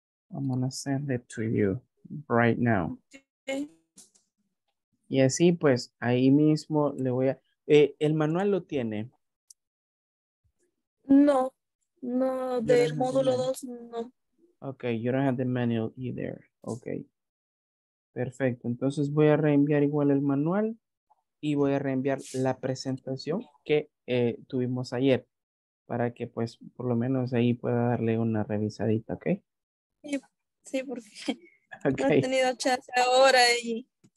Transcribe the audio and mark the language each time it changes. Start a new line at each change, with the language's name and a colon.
English: I'm gonna send it to you right now. Okay.
Spanish: Y así, pues ahí mismo le voy a. ¿El manual lo tiene? No. No, del módulo 2, no.
English: Ok, you don't have the manual either. Ok.
Spanish: Perfecto, entonces voy a reenviar igual el manual y voy a reenviar la presentación que tuvimos ayer para que, pues, por lo menos ahí pueda darle una revisadita, ¿ok? Sí, sí, porque okay. No he tenido chance ahora y